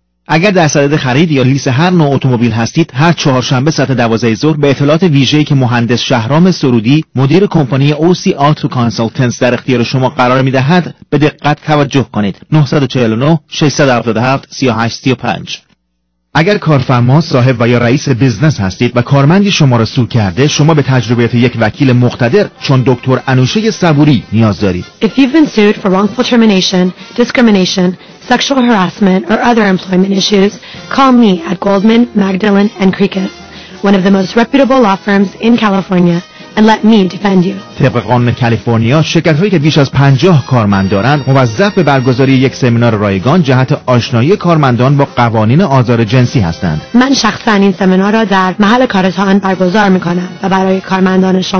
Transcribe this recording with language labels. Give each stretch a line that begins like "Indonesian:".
Persian: اگر در صدد خرید یا لیز هر نوع اتومبیل هستید، هر چهارشنبه ساعت 12 ظهر به اطلاعات ویژه‌ای که مهندس شهرام سرودی، مدیر کمپانی OC Auto Consultants در اختیار شما قرار می‌دهد، به دقت توجه کنید. 949 677 3835. اگر کارفرما، صاحب و یا رئیس بیزنس هستید و کارمندی شما را سو کرده، شما به تجربیت یک وکیل مقتدر چون دکتر انوشه صبوری نیاز دارید.
English: If you've been sued for wrongful termination, discrimination, sexual harassment or other employment issues, call me at Goldman, Magdalen and Krikus, one of the most reputable law firms in California. And let me defend you.
Persian: طبق قانون کالیفرنیا، شرکت‌هایی که بیش از 50 کارمند دارند، موظف به برگزاری یک سمینار رایگان جهت آشنایی کارمندان با قوانین آزار جنسی هستند. من شخصاً این سمینار را در محل کارتان برگزار می‌کنم و برای کارمندان شما